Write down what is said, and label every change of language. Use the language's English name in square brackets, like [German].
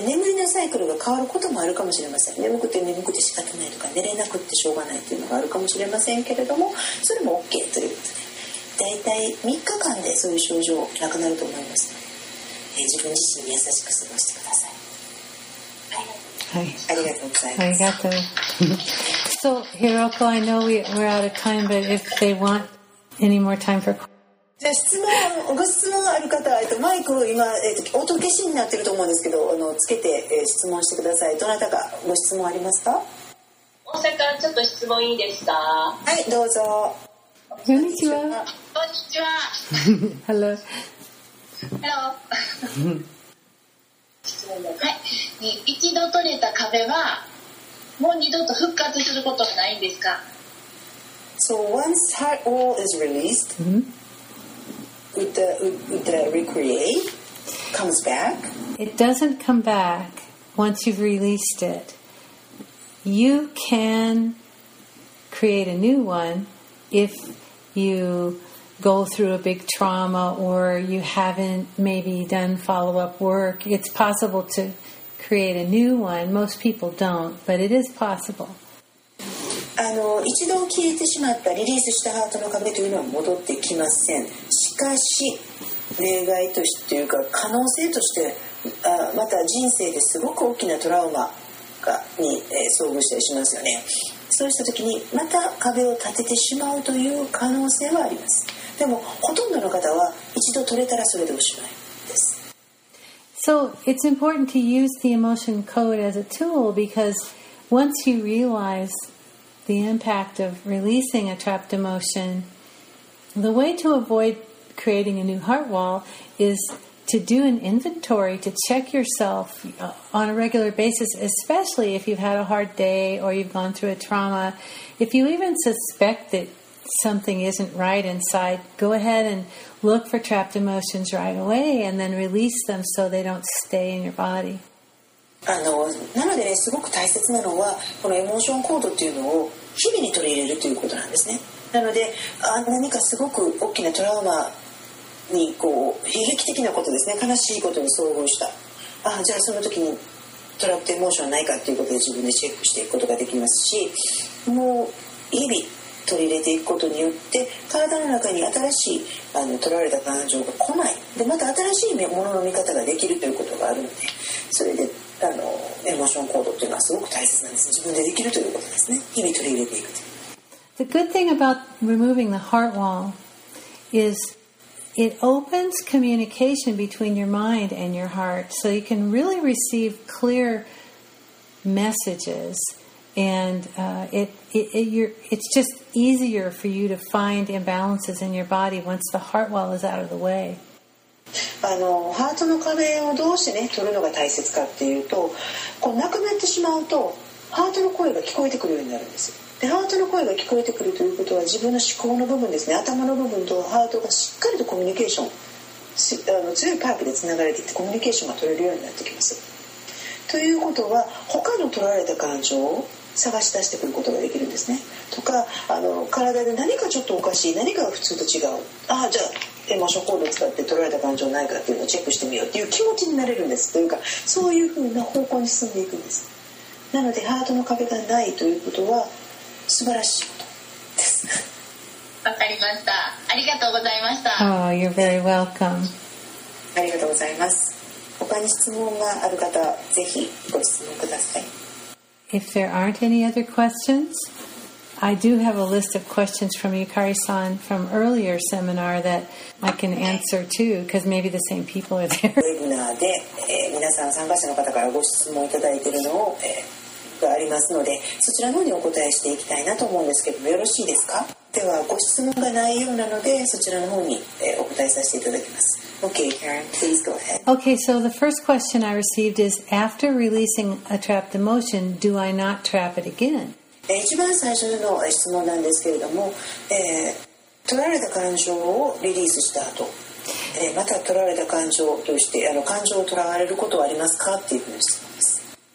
[Japanese] で、眠りのサイクルが変わることもあるかもしれません。眠くて眠くて仕方ないとか、寝れなくてしょうがないというのがあるかもしれませんけれども、それも OK ということで、だいたい3日間でそういう症状なくなると思いますので、自分自身に優しく過ごしてください。はい、ありがとうございます。ありがとう。 [English] So Hiroko, I know we're out of time, but if they want any more time for [Japanese] じゃあ質問、ご質問ある方は、マイクを今、音消しになってると思うんですけど、つけて、質問してください。どなたかご質問ありますか？大阪、ちょっと質問いいですか？はい、どうぞ。こんにちは。こんにちは。 [English] Hello。 Hello。 [Japanese] 質問です。はい、一度取れた壁はもう二度と復活することはないんですか？ [English] So once that wall is released、mm-hmm. with the recreate comes back? It doesn't come back once you've released it. You can create a new one ifyou go through a big trauma or you haven't maybe done follow-up work. It's possible to create a new one. Most people don't, but it is possible. [Japanese] 一度消えてしまったリリースしたハートの壁というのは戻ってきません。しかし例外としてというか可能性として、また人生ですごく大きなトラウマに遭遇したりしますよね。そうした時にまた壁を立ててしまうという可能性はあります。でもほとんどの方は一度取れたらそれでおしまいです。 [English] So it's important to use the emotion code as a tool, because once you realize the impact of releasing a trapped emotion, the way to avoid creating a new heart wall isto do an inventory, to check yourself on a regular basis, especially if you've had a hard day or you've gone through a trauma. If you even suspect that something isn't right inside, go ahead and look for trapped emotions right away and then release them so they don't stay in your body. [Japanese] なので、ね、すごく大切なのはこのエモーションコードっていうのを日々に取り入れるということなんですね。なので、何かすごく大きなトラウマにこう悲劇的なことですね、悲しいことに遭遇した、じゃあその時にトラップエモーションはないかということで自分でチェックしていくことができますし、もう日々取り入れていくことによって体の中に新しい取られた感情が来ない、でまた新しいものの見方ができるということがあるので、それでエモーション行動というのはすごく大切なんです。自分でできるということですね、日々取り入れていく。 [English] The good thing about removing the heart wall isIt opens communication between your mind and your heart, so you can really receive clear messages, and it's just easier for you to find imbalances in your body once the heart wall is out of the way. [Japanese] ハートの壁をどうしてね取るのが大切かっていうと、こうなくなってしまうとハートの声が聞こえてくるようになるんですよ。でハートの声が聞こえてくるということは、自分の思考の部分ですね、頭の部分とハートがしっかりとコミュニケーション、強いパイプでつながれていってコミュニケーションが取れるようになってきます。ということは他の取られた感情を探し出してくることができるんですね。とか体で何かちょっとおかしい、何かが普通と違う、じゃあエモーションコードを使って取られた感情ないかっていうのをチェックしてみようっていう気持ちになれるんです。というかそういうふうな方向に進んでいくんです。なのでハートの壁がないということは素晴らしいことです。わかりました、ありがとうございました。 [English] Oh, you're very welcome. [Japanese] ありがとうございます。他に質問がある方はぜひご質問ください。 [English] If there aren't any other questions, I do have a list of questions from Yukari-san from earlier seminar that I can answer too, because maybe the same people are there. [Japanese] ウェブナーで、皆さん参加者の方からご質問いただいているのを、ありますので、そちらの方にお答えしていきたいなと思うんですけども、よろしいですか？ではご質問がないようなので、そちらの方に、お答えさせていただきます。 [English] Okay, Karen, please go ahead. Okay, so the first question I received is, after releasing a trapped emotion, do I not trap it again? [Japanese] 一番最初の質問なんですけれども、取られた感情をリリースした後、また取られた感情として感情を取られることはありますかっていうふうに質問です。